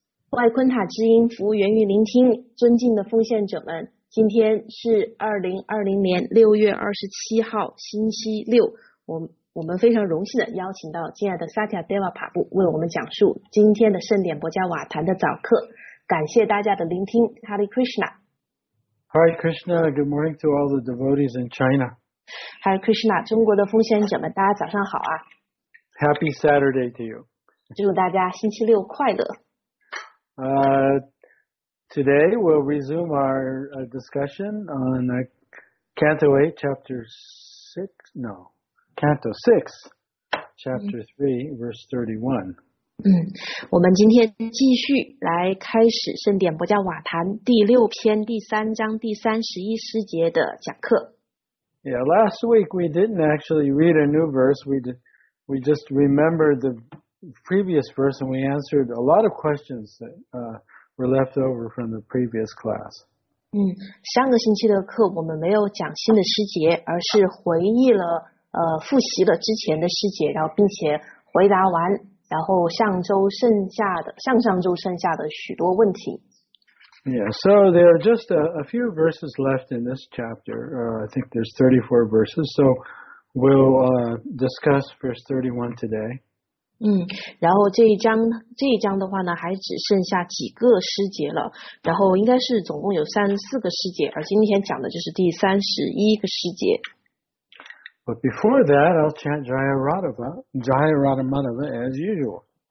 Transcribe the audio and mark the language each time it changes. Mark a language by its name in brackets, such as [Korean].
[Chinese] 外昆塔之音服务员与聆听，尊敬的奉献者们，今天是2020年6月27号，星期六。我们非常荣幸的邀请到亲爱的萨提亚·德瓦帕布为我们讲述今天的圣典博加瓦坛的早课。感谢大家的聆听 ，Hare Krishna。 [English] Hare Krishna, good morning to all the devotees in China. [Chinese] Hare Krishna, 中国的奉献者们，大家早上好啊。 [English] Happy Saturday to you. [Chinese] 祝大家星期六快乐。 [English] Today we'll resume our discussion on Canto 8, Chapter 6, no, Canto 6, Chapter 3, Verse 31. [Chinese] 我们今天继续来开始圣典博加瓦坛第六篇第三章第三十一诗节的讲课。 [English] Yeah, last week we didn't actually read a new verse. We just remembered the previous verse, and we answered a lot of questions that were left over from the previous class. [Chinese] 上个星期的课我们没有讲新的诗节，而是回忆了复习了之前的诗节，然后并且回答完，然后上上周剩下的许多问题。 [English] Yeah, so there are just a few verses left in this chapter. I think there's 34 verses, so we'll discuss verse 31 today. [Chinese] 然后这一章的话呢还只剩下几个诗节了，然后应该是总共有34个诗节，而今天讲的就是第31个诗节。 [English] But before that, I'll chant Jayaradamadava as usual.